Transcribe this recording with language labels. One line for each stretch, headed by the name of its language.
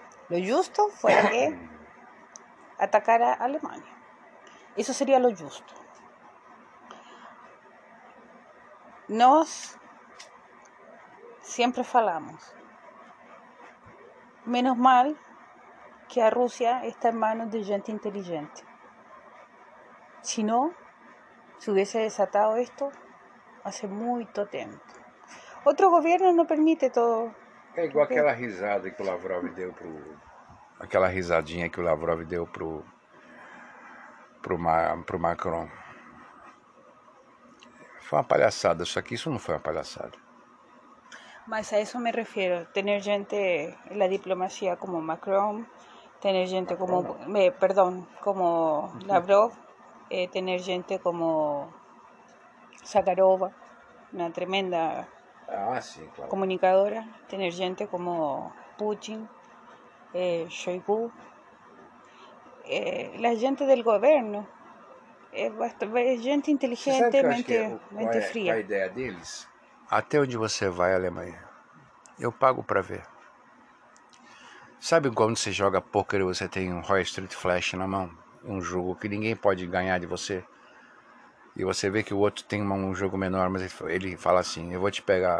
Portuguese: O justo foi que atacara a Alemanha. Isso seria o justo. Nós sempre falamos, menos mal que a Rússia está em mãos de gente inteligente.
Spanish: Si no, se hubiese desatado esto hace mucho tiempo. Otro gobierno no permite todo. Es igual aquella
Portuguese: risada que Lavrov deu pro. Aquela risadinha que Lavrov deu pro Macron.
Spanish: Fue una
Portuguese: palhaçada, só que isso não foi uma palhaçada.
Spanish: Mas a eso me refiero, tener gente en la diplomacia como Macron, tener gente Macron, como. Como Lavrov. Tener gente como Zakharova, una tremenda claro. Comunicadora. Tener gente como Putin, Shoigu. La gente del gobierno. Gente inteligente, mente fría. ¿Qué es la idea de ellos?
Portuguese: Até onde você vai, Alemanha? Eu pago para ver. Sabe quando você joga pôquer e você tem um Royal Street Flash na mão? Um jogo que ninguém pode ganhar de você. E você vê que o outro tem um jogo menor, mas ele fala assim, eu vou te pegar.